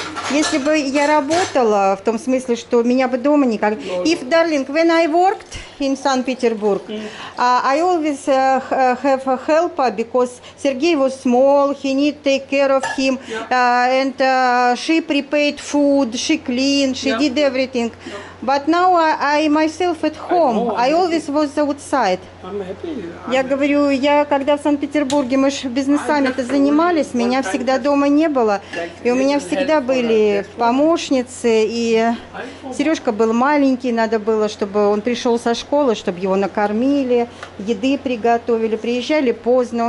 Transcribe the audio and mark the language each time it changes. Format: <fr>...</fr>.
<ru>Если бы я работала, в том смысле, что меня бы дома никак...</ru> <en>If, darling, when I worked in St. Petersburg, I always have a helper, because Сергей was small, he need take care of him, and she prepared food, she cleaned, she did everything. But now I myself at home, I always was outside.</en> <ru>Я говорю, я когда в Санкт-Петербурге, мы же бизнес-саммиты занимались, меня всегда дома не было, и у меня всегда были помощницы, и Сережка был маленький, надо было, чтобы он пришел со школы, чтобы его накормили, еды приготовили, приезжали поздно.</ru>